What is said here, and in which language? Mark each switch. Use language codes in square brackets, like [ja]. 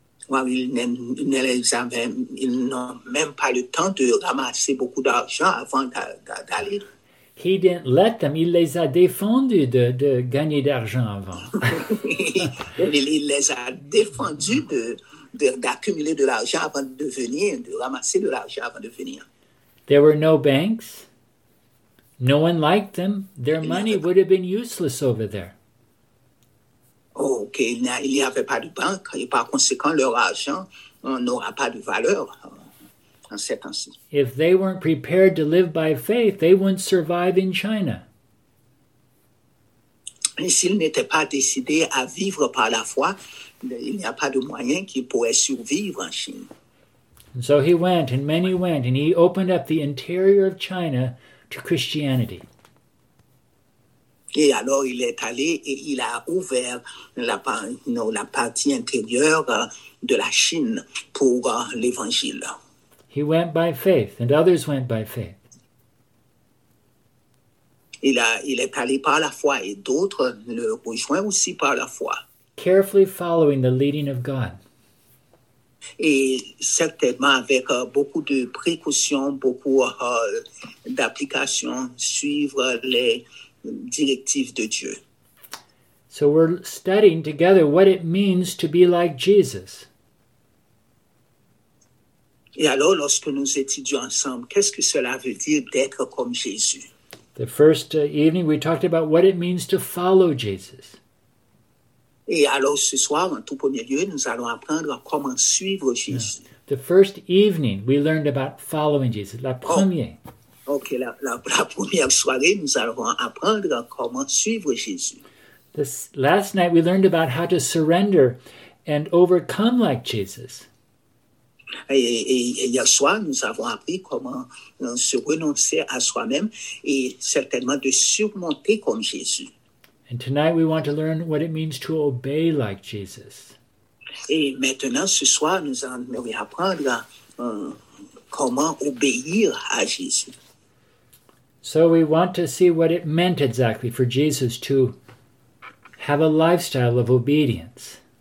[fr] Ils n'ont même pas le temps de ramasser beaucoup d'argent avant d'aller. [en] He didn't let them. [fr] Il les a défendus de gagner d'argent avant. Il les a défendus d'accumuler de l'argent avant de venir, de ramasser de l'argent avant de venir. [en] There were no banks. No one liked them. Their money would have been useless over there. Oh, OK. [fr] Il n'y avait pas de banque et par conséquent, leur argent n'aura pas de valeur. [en] If they weren't prepared to live by faith, they wouldn't survive in China. [fr] Et s'ils n'étaient pas décidés à vivre par la foi, il n'y a pas de moyen qu'ils pourraient survivre en Chine. [en] And so he went, and many went, and he opened up the interior of China to Christianity. [fr] Et alors il est allé et il a ouvert la partie intérieure de la Chine pour l'évangile. [en] He went by faith, and others went by faith. [fr] Il est allé par la foi, et d'autres le rejoignent aussi par la foi. [en] Carefully following the leading of God. [fr] Et certainement avec beaucoup de précautions, beaucoup d'applications, suivre les directives de Dieu. [en] So we're studying together what it means to be like Jesus. [fr] Et alors, lorsque nous étudions ensemble, qu'est-ce que cela veut dire d'être comme Jésus? [en] The first evening, we talked about what it means to follow Jesus. [fr] Et alors, ce soir, en tout premier lieu, nous allons apprendre comment suivre Jésus. Yeah. [en] The first evening we learned about following Jesus. [fr] La première. Ok, la première soirée, nous allons apprendre comment suivre Jésus. [en] This last night we learned about how to surrender and overcome like Jesus. [fr] Et hier soir, nous avons appris comment se renoncer à soi-même et certainement de surmonter comme Jésus. [en] And tonight we want to learn what it means to obey like Jesus. [fr] Et maintenant, ce soir, nous allons apprendre comment obéir à Jésus. [en] So we want to see what it meant exactly for Jesus to have a lifestyle of obedience.